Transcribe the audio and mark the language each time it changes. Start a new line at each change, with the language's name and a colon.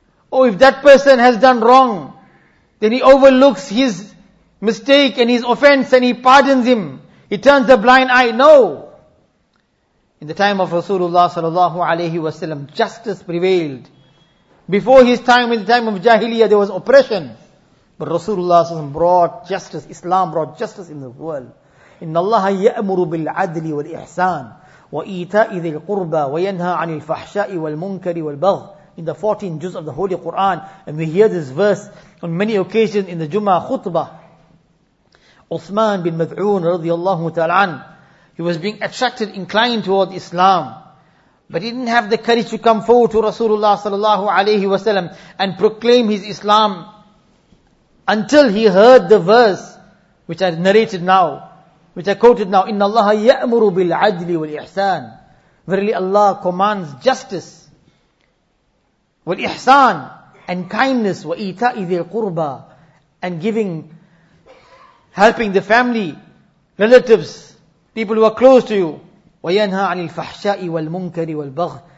English: Oh, if that person has done wrong, then he overlooks his mistake and his offense and he pardons him. He turns a blind eye. No. In the time of Rasulullah sallallahu alayhi wa sallam, justice prevailed. Before his time, in the time of Jahiliyyah, there was oppression. But Rasulullah sallallahu alayhi wa sallam brought justice. Islam brought justice in the world.
Arabic: إن الله يأمر بالعدل والإحسان وإيتاء ذي القربى وينهى عن الفحشاء والمنكر والبغي.
English: In the 14 juz of the Holy Quran, and we hear this verse on many occasions in the Jummah khutbah. Uthman bin Mad'un رضي الله تعالى عنه, he was being attracted, inclined toward Islam, but he didn't have the courage to come forward to Rasulullah صلى الله عليه وسلم and proclaim his Islam until he heard the verse which I narrated now. Which I quoted now,
Arabic: إِنَّ اللَّهَ يَأْمُرُ بِالْعَدْلِ وَالْإِحْسَانِ.
English: Verily Allah commands justice, وَالْإِحْسَانِ, and kindness,
Arabic: وَإِيْتَاءِ ذِي الْقُرْبَى,
English: and giving, helping the family, relatives, people who are close to you.
Arabic: وَيَنْهَى عَنِ الْفَحْشَاءِ وَالْمُنْكَرِ وَالْبَغْءِ.